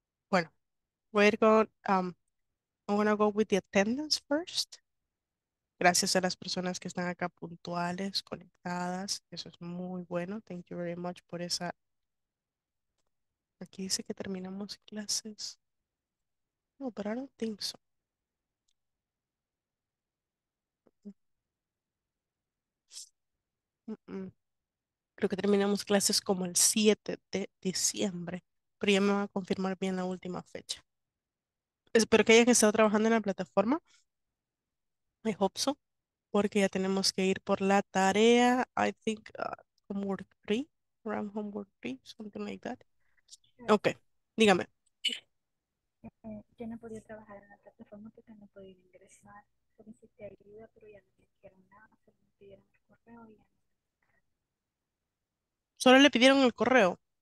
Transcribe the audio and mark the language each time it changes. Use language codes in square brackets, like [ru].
[en] Bueno, I'm gonna go with the attendance first. [es] Gracias a las personas que están acá puntuales, conectadas. Eso es muy bueno. [en] Thank you very much [es] por esa. Aquí dice que terminamos clases. [en] No, but I don't think so. [es] Creo que terminamos clases como el 7 de diciembre, pero ya me va a confirmar bien la última fecha. Espero que hayan estado trabajando en la plataforma. [en] I hope so, [es] porque ya tenemos que ir por la tarea. [en] I think homework 3, around homework 3, something like that. [es] Ok, dígame. Yo no podía trabajar en la plataforma porque no podía ingresar. Solicité ayuda, pero ya no me dijeron nada. Solo me pidieron el correo y ya no. Solo le pidieron el correo.